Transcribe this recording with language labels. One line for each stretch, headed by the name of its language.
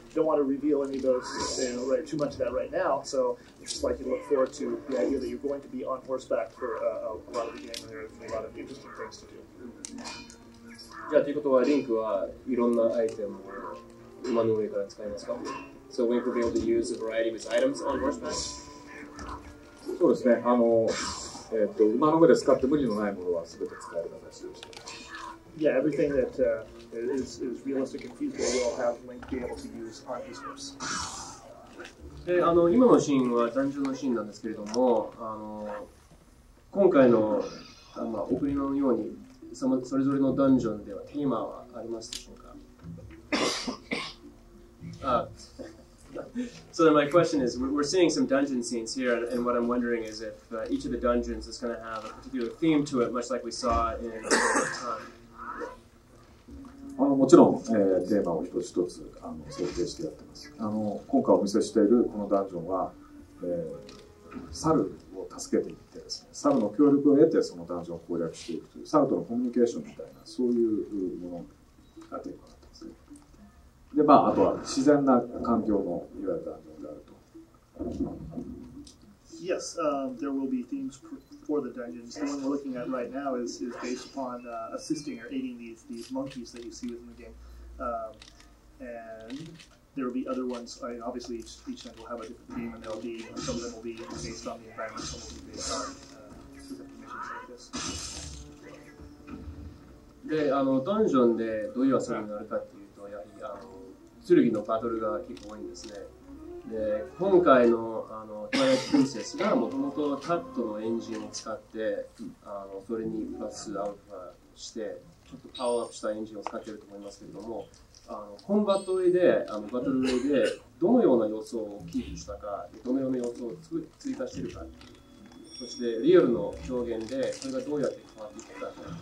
English: Don't want to reveal any of those, you know, too much of that right now, so I'd just like you to look forward to the idea that you're going to be on horseback for a lot of the game, and there are a lot of interesting things to do. So Link will be able to use a variety of his items on horseback?
Japanese: そうですね。あの、馬の上で使って無理のないものは全て使えるので、そうですね。
English: Yeah, everything that is realistic and feasible will have Link be able to use on his horse.
Japanese: で、あの、今のシーンは単純なシーンなんですけれども、あの、今回の、あ、まあ、オクリナのように、それぞれのダンジョンではテーマはありますでしょうか？
English: So then my question is, we're seeing some dungeon scenes here, and what I'm wondering is if each of the dungeons is going to have a particular theme to it, much like we saw in the time.
Japanese: もちろん、テーマを一つ一つ設定してやってます。今回お見せしているこのダンジョンは、猿を助けていってですね、猿の協力を得てそのダンジョンを攻略していくという、猿とのコミュニケーションみたいな、そういうものがテーマ。で、まあ、あとは自然な環境のいわゆるダンジョンであると。
English: Yes, there will be themes for the dungeons. The one we're looking at right now is based upon assisting or aiding these monkeys that you see within the game. And there will be other ones. I mean, obviously, each dungeon will have a different theme, and there'll be, you know, some of them will be based on the environment, some will be based on specific missions like this.
Japanese: で、あの、ダンジョンでどういう遊びになるかっていうと、やはり、あの、剣のバトルが結構多いんですね。で、今回の、あの、トワイライト・プリンセスがもともとタットのエンジンを使って、あの、それにプラスアルファして、ちょっとパワーアップしたエンジンを使っていると思いますけれども、あの、コンバトルで、あの、バトルで、どのような要素をキープしたか、どのような要素を追加しているか、そして、リアルの表現で、それがどうやって変わっていくか。